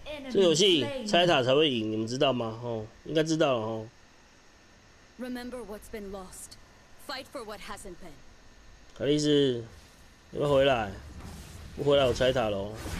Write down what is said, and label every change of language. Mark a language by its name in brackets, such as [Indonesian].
[Chinese] 这游戏拆塔才会赢，你们知道吗？哦，应该知道了哦。 [English] Remember what's been lost. Fight for what hasn't been. [Chinese] 卡莉斯，你们回来，不回来我拆塔喽。